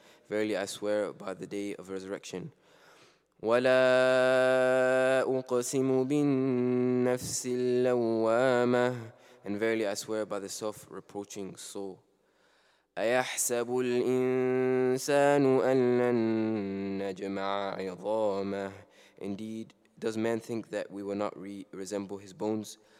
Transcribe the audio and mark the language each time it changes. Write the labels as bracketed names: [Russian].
[English] Verily I swear by the Day of Resurrection. [Arabic] ولا أقسم بالنفس اللوامة. [English] And verily I swear by the self-reproaching soul. [Arabic] أيحسب الإنسان أن لن نجمع عظامه. [English] Indeed, does man think that we will not resemble his bones?